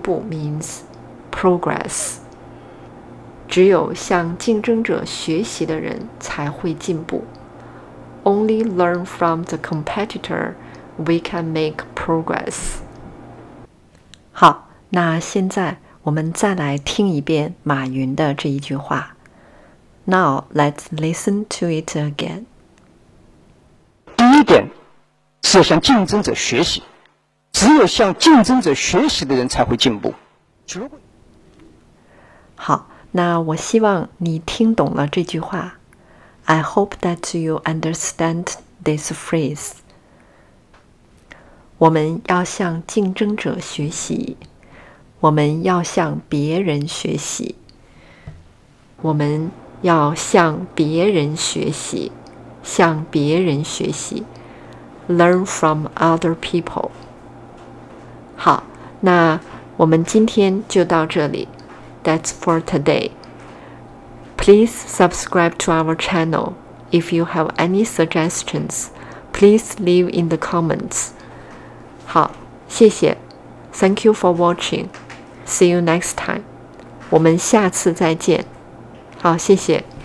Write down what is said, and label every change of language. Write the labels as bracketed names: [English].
[English] means progress [Chinese] 只有向竞争者学习的人才会进步 [English] Only learn from the competitor we can make progress [Chinese] 好，那现在我们再来听一遍马云的这一句话。 [English] Now, let's listen to it again. [Chinese] 第一点，是是向竞争者学习，只有向竞争者学习的人才会进步。好，那我希望你听懂了这句话。 [English] I hope that you understand this phrase. [Chinese] 我们要向竞争者学习，我们要向别人学习，我们要向别人学习，向别人学习。 [English] Learn from other people. [Chinese] 好，那我们今天就到这里。 [English] That's for today. Please subscribe to our channel. If you have any suggestions, please leave in the comments. [Chinese] 好，谢谢。 [English] Thank you for watching. See you next time. [Chinese] 我们下次再见。好，谢谢。